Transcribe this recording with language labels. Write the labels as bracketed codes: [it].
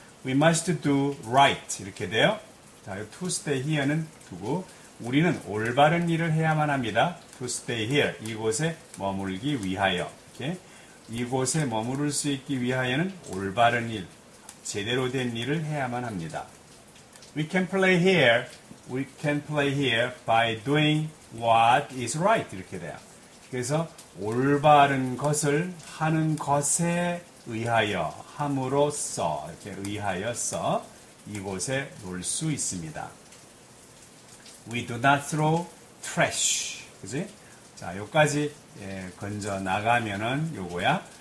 [en] We must do right. [ko] 이렇게 돼요. 자, [en] to stay here [ko] 는 두고 우리는 올바른 일을 해야만 합니다. [en] To stay here, [ko] 이곳에 머물기 위하여. 이렇게 이곳에 머무를 수 있기 위하여는 올바른 일, 제대로 된 일을 해야만 합니다. [en] We can play here. We can play here by doing what is right. [ko] 이렇게 돼요. 그래서 올바른 것을 하는 것에 의하여 함으로써 이렇게 의하여서 이곳에 놀 수 있습니다. [en] We do not throw trash. 그지? [ko] 자, 여기까지 예, 건져 나가면은 요거야.